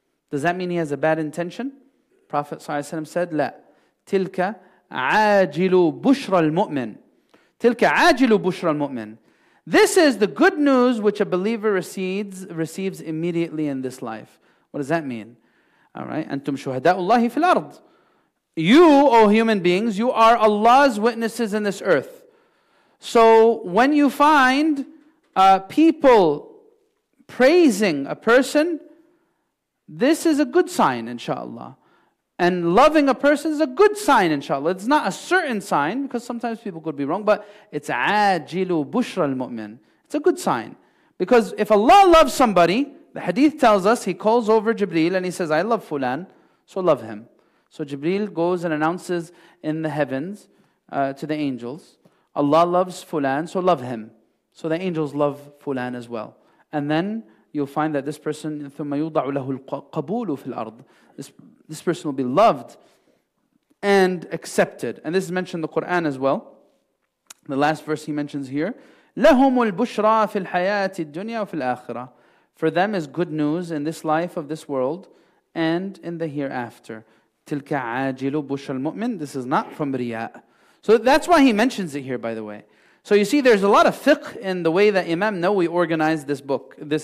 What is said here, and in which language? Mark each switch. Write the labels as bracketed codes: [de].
[en] Does that mean he has a bad intention? Prophet ﷺ said, لا. [ar] تلك عاجل بشرى المؤمن. تلك عاجل بشرى المؤمن. [en] This is the good news which a believer receives immediately in this life. What does that mean? All right, [ar] أنتم شهداء الله في الأرض. [en] You, O human beings, you are Allah's witnesses in this earth. So when you find people praising a person, this is a good sign, inshallah. And loving a person is a good sign, inshallah. It's not a certain sign, because sometimes people could be wrong, but it's [ar] عَاجِلُ بُشْرَ الْمُؤْمِنِ. [en] It's a good sign. Because if Allah loves somebody, the hadith tells us, he calls over Jibreel and he says, I love Fulan, so love him. So Jibreel goes and announces in the heavens to the angels, Allah loves Fulan, so love him. So the angels love Fulan as well. And then you'll find that this person, [ar] ثُمَّ يُوضَعُ لَهُ الْقَبُولُ فِي الْأَرْضِ. [en] This person will be loved and accepted. And this is mentioned in the Quran as well. The last verse he mentions here, [ar] لَهُمُ الْبُشْرَى فِي الْحَيَاةِ الدُّنْيَا وَفِي الْآخِرَةِ. [en] For them is good news in this life of this world and in the hereafter. [ar] تِلْكَ عَاجِلُ بُشْرَ الْمُؤْمِنِ. [en] This is not from Riyah. So that's why he mentions it here, by the way. So you see, there's a lot of fiqh in the way that Imam Nawawi organized this book.